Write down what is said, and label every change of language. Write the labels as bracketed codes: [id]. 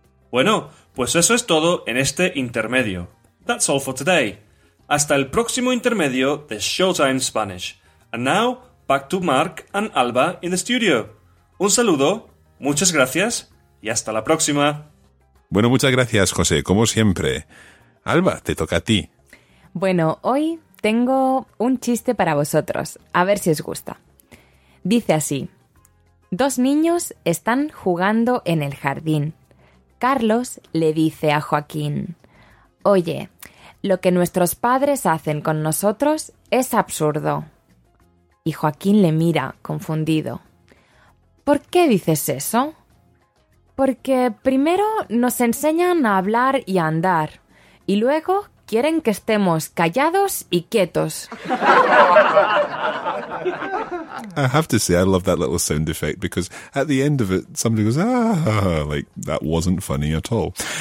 [es] Bueno, pues eso es todo en este intermedio. [en] That's all for today. [es] Hasta el próximo intermedio de Showtime Spanish. [en] And now, back to Mark and Alba in the studio. [es] Un saludo, muchas gracias y hasta la próxima. Bueno, muchas gracias, José, como siempre. Alba, te toca a ti. Bueno, hoy tengo un chiste para vosotros, a ver si os gusta. Dice así. Dos niños están jugando en el jardín. Carlos le dice a Joaquín: «Oye, lo que nuestros padres hacen con nosotros es absurdo». Y Joaquín le mira, confundido. «¿Por qué dices eso?». «Porque primero nos enseñan a hablar y a andar, y luego quieren que estemos callados y quietos». [en] I have to say, I love that little sound effect, because at the end of it, somebody goes, ah, like, that wasn't funny at all.